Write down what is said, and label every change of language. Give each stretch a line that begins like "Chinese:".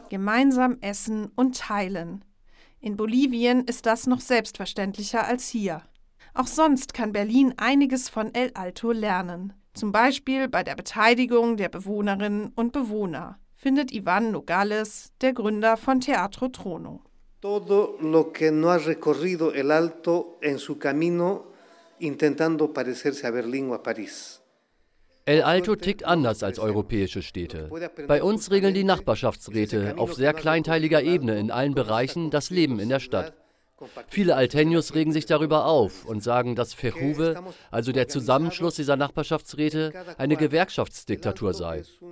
German: Gemeinsam essen und teilen. In Bolivien ist das noch selbstverständlicher als hier. Auch sonst kann Berlin einiges von El Alto lernen. Zum Beispiel bei der Beteiligung der Bewohnerinnen und Bewohner, findet Ivan Nogales, der Gründer von Teatro Trono.
Spanish: Todo lo que no ha recorrido El Alto en su camino, intentando parecerse a Berlín o a París.
German: El Alto tickt anders als europäische Städte. Bei uns regeln die Nachbarschaftsräte auf sehr kleinteiliger Ebene in allen Bereichen das Leben in der Stadt. Viele Alteños regen sich darüber auf und sagen, dass Fejuve, also der Zusammenschluss dieser Nachbarschaftsräte, eine Gewerkschaftsdiktatur sei.